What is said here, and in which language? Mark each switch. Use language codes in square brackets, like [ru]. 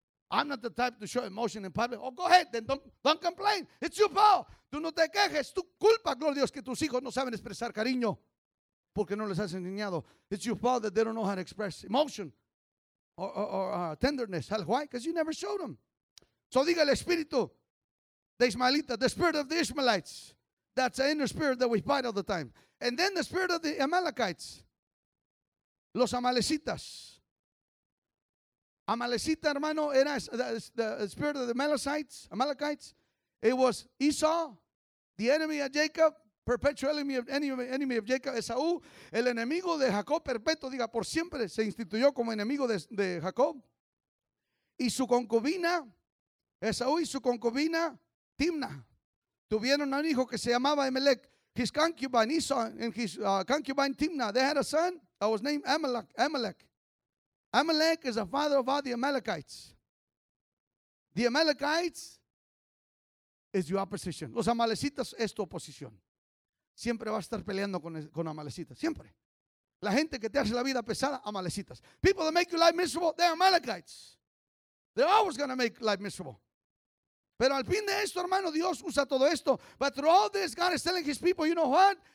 [en] I'm not the type to show emotion in public. Oh, go ahead. Then don't complain. It's your fault. [es] Tú no te quejes. Tu culpa, gloria a Dios, que tus hijos no saben expresar cariño porque no les has enseñado. [en] It's your fault that they don't know how to express emotion or tenderness. Hell, why? Because you never showed them. [es] So diga el espíritu de Ismaelita, [en] the spirit of the Ishmaelites. That's the inner spirit that we fight all the time. And then the spirit of the Amalekites. [es] Los Amalecitas. Amalecita, hermano, era [en] the spirit of the Amalekites. It was Esau, the enemy of Jacob, perpetual enemy of Jacob, [es] Esaú, el enemigo de Jacob, perpetuo, diga, por siempre, se instituyó como enemigo de Jacob. Y su concubina, Esaú y su concubina, Timna, tuvieron un hijo que se llamaba Amalek. [en] His concubine, Esau, and his concubine, Timna, they had a son that was named Amalek. Amalek is the father of all the Amalekites. The Amalekites is your opposition. [es] Los Amalecitas es tu oposición. Siempre vas a estar peleando con Amalecitas. Siempre. La gente que te hace la vida pesada, Amalecitas. [en] People that make your life miserable, they're Amalekites. They're always going to make life miserable. [es] Pero al fin de esto, hermano, Dios usa todo esto. [en] But through all this, God is telling his people, you know what?